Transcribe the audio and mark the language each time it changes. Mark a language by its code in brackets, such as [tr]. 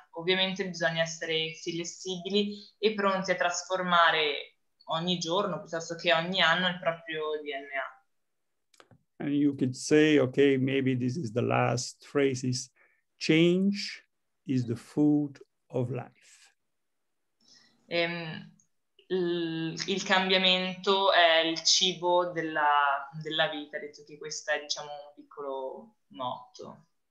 [it] Ovviamente bisogna essere flessibili e pronti a trasformare ogni giorno, piuttosto che ogni anno, il proprio DNA. [en] And you could say, okay, maybe this is the last phrase, is change is the food of life. [it] Il cambiamento è il cibo della vita, detto che questo è, diciamo, un piccolo motto.